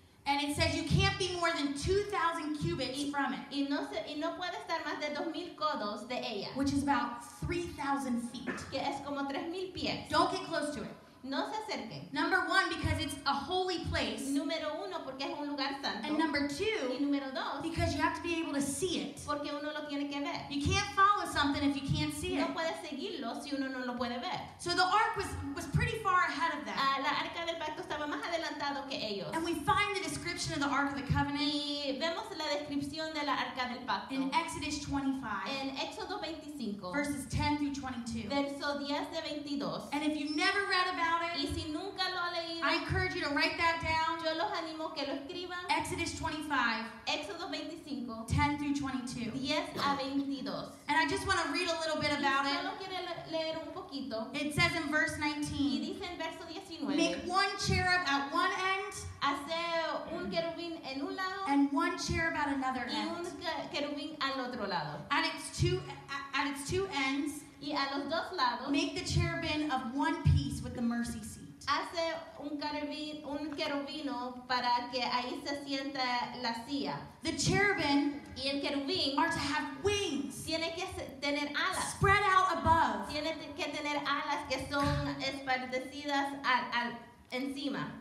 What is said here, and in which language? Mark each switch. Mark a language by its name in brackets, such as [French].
[English] And it says you can't be more than 2,000 cubits from it. [Spanish] Y no puede estar más de 2,000 codos de ella. [English] Which is about 3,000 feet. [Spanish] Que es como 3,000 pies. [English] Don't get close to it. [Spanish] No se acerque. [English] Number one, because it's a holy place. [Spanish] Número uno, porque es un lugar santo. [English] And number two, [Spanish] y número dos, [English] because you have to be able to see it. [Spanish] Porque uno lo tiene que ver. [English] You can't follow something. something if you can't see it. [Spanish] No puede seguirlo si uno no lo puede ver. [English] So the ark was pretty far ahead of that. [Spanish] La arca del pacto estaba más adelantado que ellos. [English] And we find the description of the ark of the covenant. [Spanish] Y vemos la descripción de la arca del pacto. [English] In Exodus 25. [Spanish] En Éxodo 25. [English] Verses 10 through 22. [Spanish] Verso 10 de 22. [English] And if you never read about it, [Spanish] y si nunca lo ha leído, [English] I encourage you to write that down. [Spanish] Yo los animo que lo escriban. [English] Exodus 25. [Spanish] Éxodo 25. [English] 10 through 22. [Spanish] 10 a 22. [English] And I just want to read a little bit about it. [Spanish] Solo quiero leer un poquito. [English] It says in verse 19. [Spanish] Y dice en verso 19. [English] Make one cherub at one end. [Spanish] Hacer un querubín en un lado. [English] And one cherub at another end. [Spanish] Y un querubín al otro lado. [English] At its two ends. [Spanish] Y a los dos lados. [English] Make the cherubim of one piece with the mercy seat. [Spanish] Hace un querubino para que ahí se sienta la silla. [English] The cherubim [Spanish] y el querubín [English] are to have wings. [Spanish] Tiene que tener alas. [English] Spread out above. [Spanish] Tiene que tener alas que son esparcidas al encima.